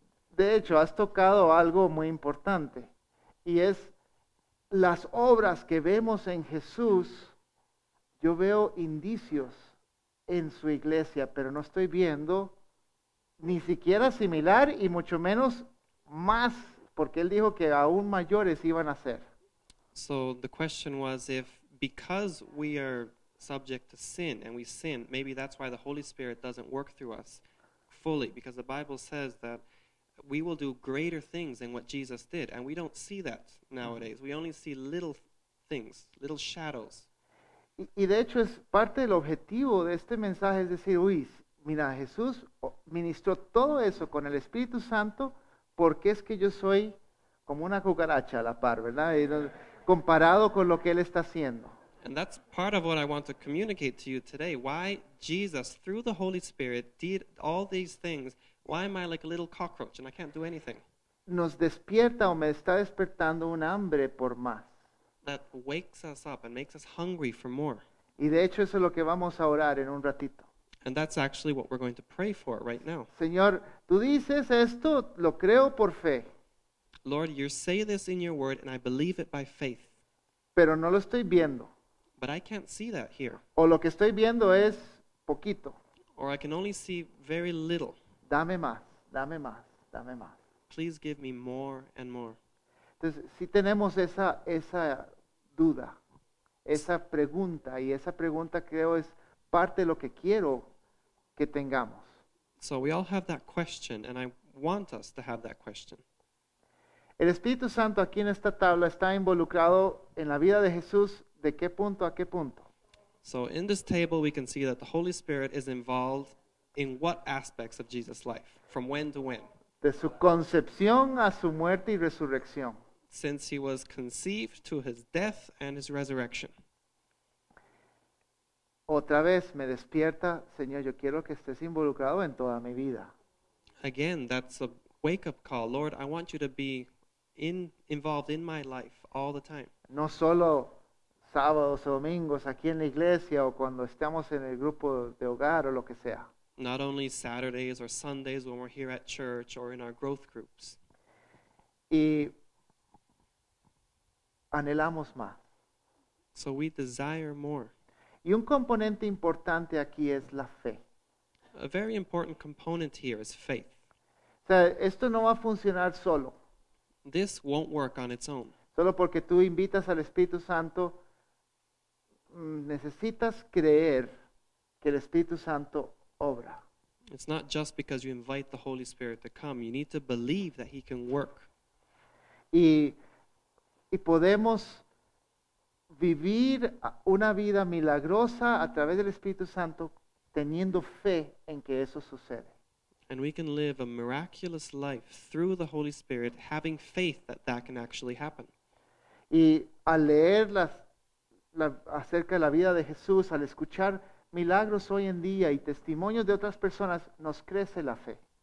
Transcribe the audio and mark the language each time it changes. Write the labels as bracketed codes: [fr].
[es] De hecho, has tocado algo muy importante y es las obras que vemos en Jesús. Yo veo indicios en su iglesia, pero no estoy viendo ni siquiera similar y mucho menos más, porque él dijo que aún mayores iban a ser. [en] So the question was, if because we are subject to sin and we sin, maybe that's why the Holy Spirit doesn't work through us fully, because the Bible says that we will do greater things than what Jesus did, and we don't see that nowadays. We only see little things, little shadows. [es] Y de hecho es parte del objetivo de este mensaje, es decir, uy, mira, Jesús ministró todo eso con el Espíritu Santo, porque es que yo soy como una cucaracha a la par, ¿verdad? Y comparado con lo que él está haciendo. [en] And that's part of what I want to communicate to you today. Why Jesus, through the Holy Spirit, did all these things. Why am I like a little cockroach and I can't do anything? [es] Nos despierta o me está despertando un hambre por más. [en] That wakes us up and makes us hungry for more. [es] Y de hecho eso es lo que vamos a orar en un ratito. [en] And that's actually what we're going to pray for right now. [es] Señor, tú dices esto, lo creo por fe. [en] Lord, you say this in your word and I believe it by faith. [es] Pero no lo estoy viendo. [en] But I can't see that here. [es] O lo que estoy viendo es poquito. [en] Or I can only see very little. [es] Dame más, dame más, dame más. [en] Please give me more and more. [es] Entonces, si tenemos esa duda, esa pregunta, y esa pregunta creo es parte de lo que quiero que tengamos. [en] So we all have that question, and I want us to have that question. [es] El Espíritu Santo aquí en esta tabla está involucrado en la vida de Jesús, ¿de qué punto a qué punto? [en] So in this table we can see that the Holy Spirit is involved in what aspects of Jesus' life, from when to when. [es] De su concepción a su muerte y resurrección. [en] Since he was conceived to his death and his resurrection. [es] Otra vez me despierta, Señor, yo quiero que estés involucrado en toda mi vida. [en] Again, that's a wake-up call. Lord, I want you to be involved in my life all the time. [es] No solo sábados o domingos aquí en la iglesia o cuando estamos en el grupo de hogar o lo que sea. [en] Not only Saturdays or Sundays when we're here at church or in our growth groups. [es] Y anhelamos más. [en] So we desire more. [es] Y un componente importante aquí es la fe. [en] A very important component here is faith. [es] O sea, esto no va a funcionar solo. [en] This won't work on its own. [es] Solo porque tú invitas al Espíritu Santo, necesitas creer que el Espíritu Santo obra. [en] It's not just because you invite the Holy Spirit to come. You need to believe that he can work. [es] Y podemos vivir una vida milagrosa a través del Espíritu Santo teniendo fe en que eso sucede. [en] And we can live a miraculous life through the Holy Spirit, having faith that that can actually happen. [es] Y al leer acerca de la vida de Jesús, al escuchar milagros hoy en día y testimonios de otras personas, nos crece la fe.